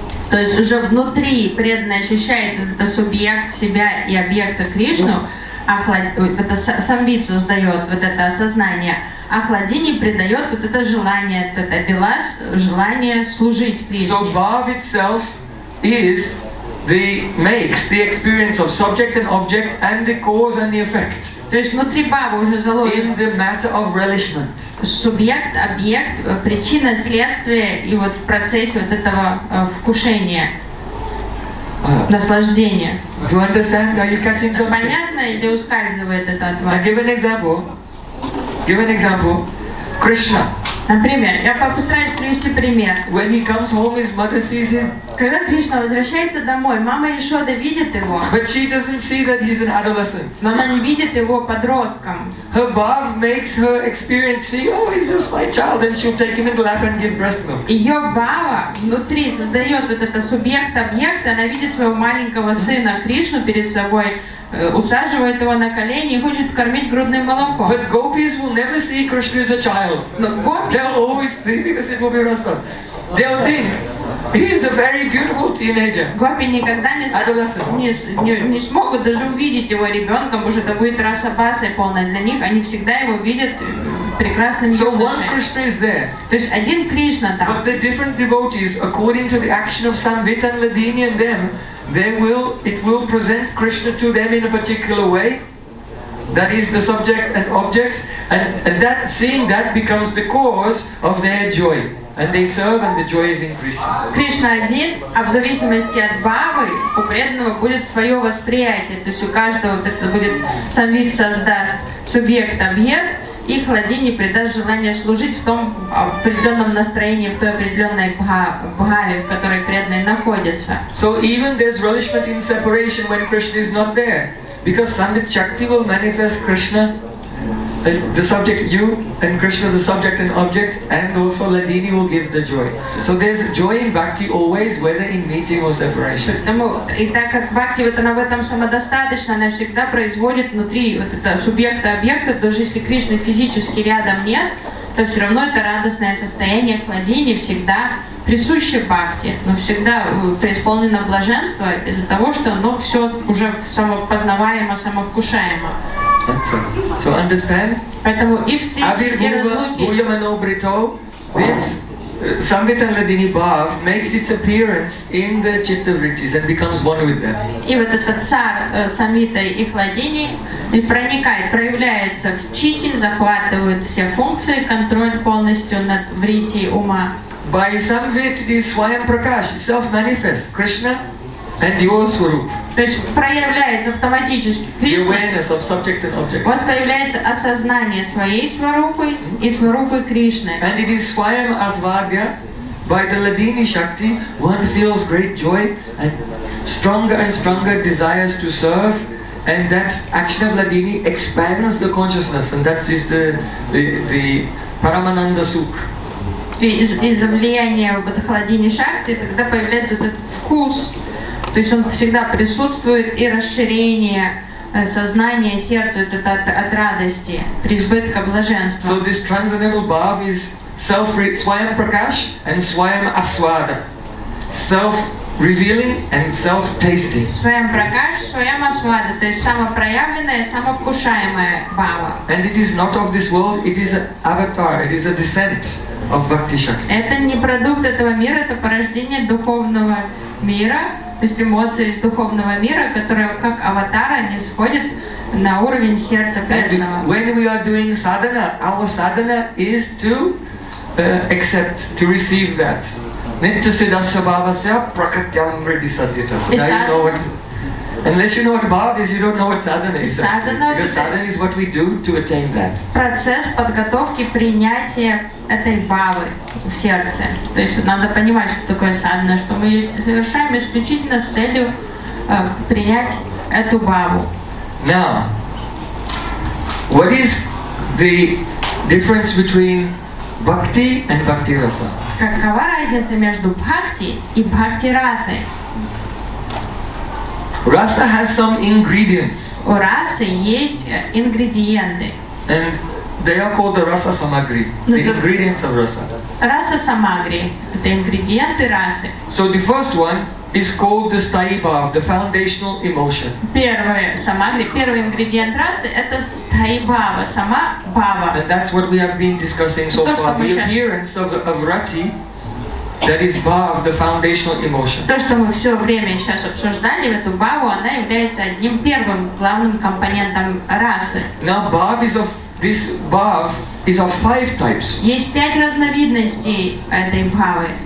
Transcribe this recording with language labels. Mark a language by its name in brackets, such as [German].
[Russian] То есть уже внутри преданный ощущает этот субъект себя и объекта Кришну. Это самвит создает вот это осознание. Ахладини придает вот это желание, это билас, желание служить Кришне. [English] So bhava itself is the makes the experience of subject and object and the cause and the effect. [Russian] То есть внутри бхавы уже заложено. [English] In the matter of relishment. [Russian] Субъект, объект, причина, следствие и вот в процессе вот этого вкушения. Наслаждение. [English] Do you understand? Are you catching something? [Russian] Понятно или ускальзывает это от вас? [English] Give an example. Krishna. [Russian] Например, я постараюсь привести пример. [English] When he comes home, his mother sees him. [Russian] Когда Кришна возвращается домой, мама Яшода видит его. [English] But she doesn't see that he's an adolescent. [Russian] Но она не видит его подростком. [English] Her bhav makes her experience see, oh, he's just my child, and she'll take him in the lap and give breast milk. [Russian] Ее бхава внутри создает вот этот субъект-объект, она видит своего маленького сына Кришну перед собой. Усаживает его на колени и хочет кормить грудным молоком. [English] But gopis will never see Krishna as a child. [Russian] Но гопи, [English] they'll always think, because it will be rascals. They'll think he is a very beautiful teenager. [Russian] Гопи никогда не не смогут даже увидеть его ребенком, потому что это будет расапасой полной для них. Они всегда его видят прекрасным юношей. [English] So one Krishna is there. [Russian] То есть один Кришна там. [English] But the different devotees, according to the action of Sanvit and Ladini and them. It will present Krishna to them in a particular way. That is the subject and objects, and that seeing that becomes the cause of their joy, and they serve, and the joy is increasing. [Russian] Кришна один, а в зависимости от бхавы у преданного будет свое восприятие, то есть у каждого это будет самвит создаст субъект-объект, и Кладини придаст желание служить в том определенном настроении, в той определенной бхаве, в которой преданный находится. [English] So even there's relishment in separation when Krishna is not there, because Sandit Shakti will manifest Krishna, the subject you, and Krishna the subject and object, and also Ladini will give the joy. So there's joy in bhakti always, whether in meeting or separation. [Russian] Поэтому, и так как бхакти вот она в этом самодостаточна, она всегда производит внутри вот это субъекта объекта, даже если Кришны физически рядом нет, то все равно это радостное состояние Ладини всегда присуще бхакти, но всегда преисполнено блаженство из-за того, что оно все уже самопознаваемо, самовкушаемо. [English] So understand? [Russian] Поэтому и встречи, и разлуки. [Sanskrit] Абир Бхува, Бхуя Брито, [English] this Samvita Ladini Bhav makes its appearance in the Chitta Vrittis and becomes one with them. [Russian] И вот этот царь Самвита и Ладини и проникает, проявляется в Читте, захватывает все функции, контроль полностью над Вритти ума. [English] By Samvit is Swayam Prakash, self-manifest, Krishna. And your Swarup. [Russian] То есть проявляется автоматически. [English] Krishna, the awareness of subject and object. [Russian] У вас появляется осознание своей Сварупы и Сварупы Кришны. [English] And it is Swayam Asvadya by the Ladini Shakti. One feels great joy and stronger desires to serve. And that action of Ladini expands the consciousness. And that is the Paramananda Sukh. [Russian] Из-за влияния вот Ладини Шакти тогда появляется вот этот вкус. То есть он всегда присутствует и расширение сознания, сердца от радости, преизбытка блаженства. [English] So this transcendental bhav is swayam prakash and swayam aswada. Self-revealing and self-tasting. [Russian] Swayam prakash, swayam aswada, то есть самопроявленное, самовкушаемое бхава. [English] And it is not of this world, it is an avatar, it is a descent of bhakti shakti. [Russian] Это не продукт этого мира, это порождение духовного мира. То есть эмоции из духовного мира, которые как аватара не сходят на уровень сердца преданного. [English] When we are doing sadhana, our sadhana is to accept, to receive that. [Sanskrit] Nitya siddhasya bhavasya prakatyam vriddhi sadhyata. [English] So now you know what. Unless you know what bhava is, you don't know what sadhana is. Sadhana, because sadhana is what we do to attain that. [Russian] Процесс подготовки принятия этой бхавы в сердце. То есть надо понимать, что такое садхана, что мы совершаем исключительно с целью принять эту бхаву. [English] Now, what is the difference between bhakti and bhakti rasa? [Russian] Какова разница между бхакти и бхакти расой? [English] Rasa has some ingredients. [Russian] У расы есть ингредиенты. [English] And they are called the rasa samagri, the ingredients of rasa. [Russian] Rasa samagri, это ингредиенты расы. [English] So the first one is called the sthayi bhav, the foundational emotion. [Russian] Первое самагри, первый ингредиент расы это sthayi bhava, сама бхава. [English] And that's what we have been discussing so far. The appearance of rati, that is bhav, the foundational emotion. [Russian] То, что мы все время сейчас обсуждали, эту бхаву, она является одним первым главным компонентом расы. [English] Now bhav is of This bhav is of five types. [Russian] Есть пять разновидностей этой бхавы.